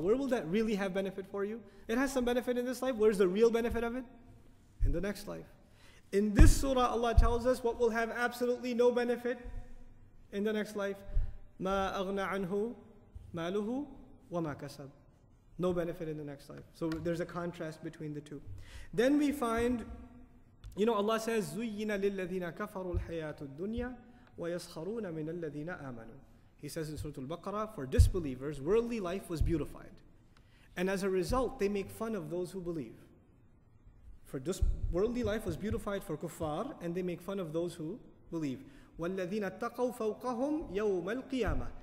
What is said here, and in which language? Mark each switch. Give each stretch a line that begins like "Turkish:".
English: Where will that really have benefit for you? It has some benefit in this life. Where's the real benefit of it? In the next life. In this surah, Allah tells us what will have absolutely no benefit in the next life.
Arabic: مَا أَغْنَى عَنْهُ مَالُهُ وَمَا كَسَبْ.
English: No benefit in the next life. So there's a contrast between the two. Then we find, you know, Allah says,
Arabic: زُيِّنَ لِلَّذِينَ كَفَرُوا الْحَيَاةُ الدُّنْيَا وَيَسْخَرُونَ مِنَ الَّذِينَ آمَنُوا.
English: He says in Surah Al-Baqarah, for disbelievers, worldly life was beautified. And as a result, they make fun of those who believe. For worldly life was beautified for kuffar, and they make fun of those who believe.
Arabic: وَالَّذِينَ اتَّقَوْا فَوْقَهُمْ يَوْمَ الْقِيَامَةِ.